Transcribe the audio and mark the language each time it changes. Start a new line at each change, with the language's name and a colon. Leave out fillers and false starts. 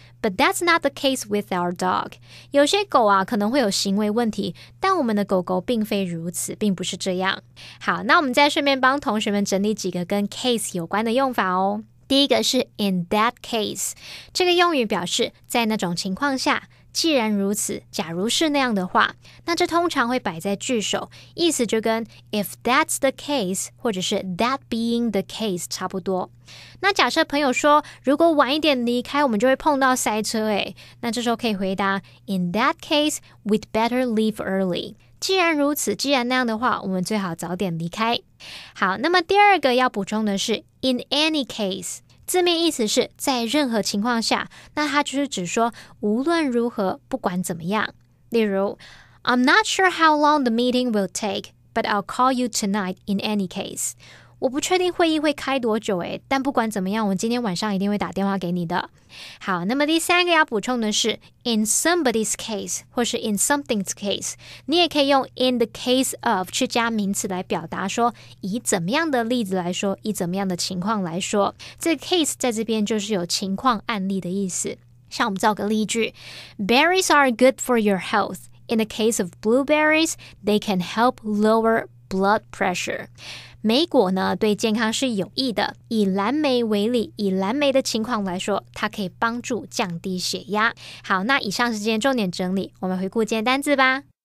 English: But that's not the case with our dog.
Chinese: 有些狗啊可能会有行为问题，但我们的狗狗并非如此，并不是这样。好，那我们再顺便帮同学们整理几个跟 case 有关的用法哦。第一个是
English: in that case，
Chinese: 这个用语表示在那种情况下，既然如此，假如是那样的话，那这通常会摆在句首，意思就跟
English: if that's the case
Chinese: 或者是
English: that being the case
Chinese: 差不多。那假设朋友说，如果晚一点离开，我们就会碰到塞车诶，那这时候可以回答
English: in that case we'd better leave early。
Chinese: 既然如此，既然那样的话，我们最好早点离开。好，那么第二个要补充的是
English: in any case，
Chinese: 字面意思是在任何情况下，那它就是指说无论如何，不管怎么样。例如
English: I'm not sure how long the meeting will take, but I'll call you tonight in any case。
Chinese: 我不确定会议会开多久诶，但不管怎么样，我今天晚上一定会打电话给你的。好，那么第三个要补充的是
English: in somebody's case
Chinese: 或是
English: in something's case，
Chinese: 你也可以用
English: in the case of
Chinese: 去加名词来表达说以怎么样的例子来说，以怎么样的情况来说，这个 case 在这边就是有情况案例的意思。像我们造个例句，
English: Berries are good for your health. In the case of blueberries, they can help lower blood pressure.
Chinese: 莓果呢对健康是有益的，以蓝莓为例，以蓝莓的情况来说，它可以帮助降低血压。好，那以上是今天重点整理，我们回顾今天单字吧。